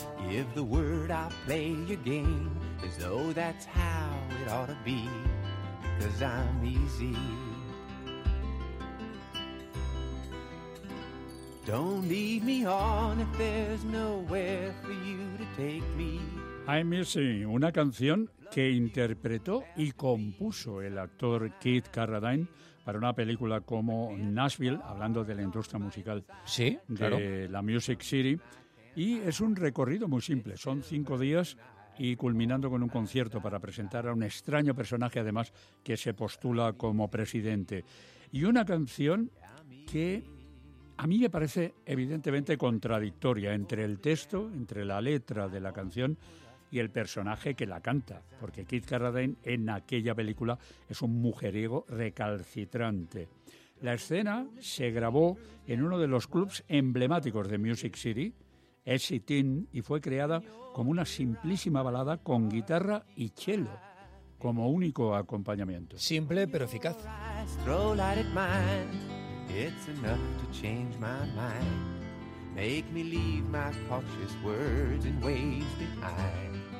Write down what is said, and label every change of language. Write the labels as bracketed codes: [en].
[en] Give the word, I play your game as though that's how it ought to be. 'Cause I'm easy. Don't leave me on if there's nowhere for you to take me. [es] I'm Easy, una canción que interpretó y compuso el actor Keith Carradine para una película como Nashville, hablando de la industria musical, sí, de claro, la Music City. Y es un recorrido muy simple, son 5 días. Y culminando con un concierto para presentar a un extraño personaje, además, que se postula como presidente. Y una canción que a mí me parece evidentemente contradictoria entre el texto, entre la letra de la canción y el personaje que la canta. Porque Keith Carradine en aquella película es un mujeriego recalcitrante. La escena se grabó en uno de los clubs emblemáticos de Music City, Essie Teen, y fue creada como una simplísima balada con guitarra y cello como único acompañamiento. Simple pero eficaz. [en] Throw light at mine. It's enough to change my mind. Make me leave my cautious words and ways behind.